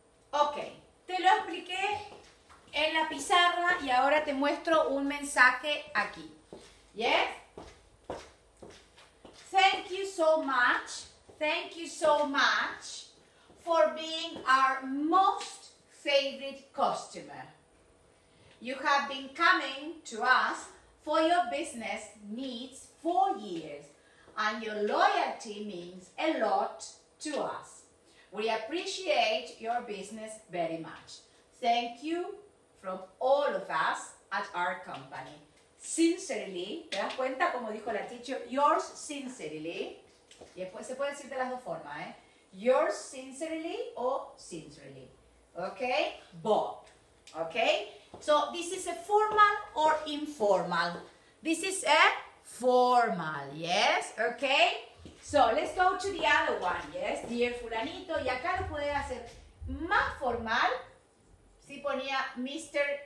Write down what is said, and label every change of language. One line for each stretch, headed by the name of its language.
Spanish: Ok, te lo expliqué en la pizarra y ahora te muestro un mensaje aquí.
English: Yes? Thank you so much. Thank you so much for being our most favorite customer. You have been coming to us for your business needs for years, and your loyalty means a lot to us. We appreciate your business very much. Thank you from all of us at our company.
Spanish: Sincerely, ¿te das cuenta como dijo la teacher?
English: Yours sincerely.
Spanish: Y después se puede decir de las dos formas, ¿eh?
English: Yours sincerely o sincerely. Okay? Bob. Okay? So, this is a formal or informal? This is a formal, yes? Okay? So, let's go to the other one, yes? Dear fulanito.
Spanish: Y acá lo puede hacer más formal si ponía Mr.